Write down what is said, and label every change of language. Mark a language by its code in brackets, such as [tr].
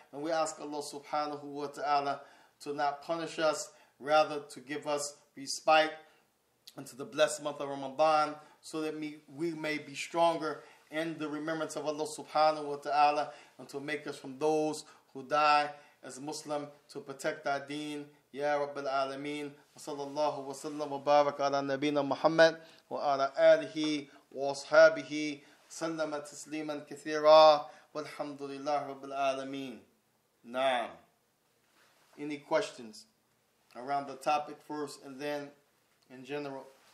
[en] And we ask Allah Subhanahu wa Ta'ala to not punish us, rather to give us respite into the blessed month of Ramadan, so that we may be stronger in the remembrance of Allah Subhanahu wa Ta'ala, and to make us from those who die as Muslim, to protect our deen. [ar] يا رب العالمين وصلى الله وسلم وبارك على نبينا محمد وعلى آله وأصحابه سلم تسليما كثيرا والحمد لله رب العالمين. نعم. [en] Any questions around the topic first and then in general?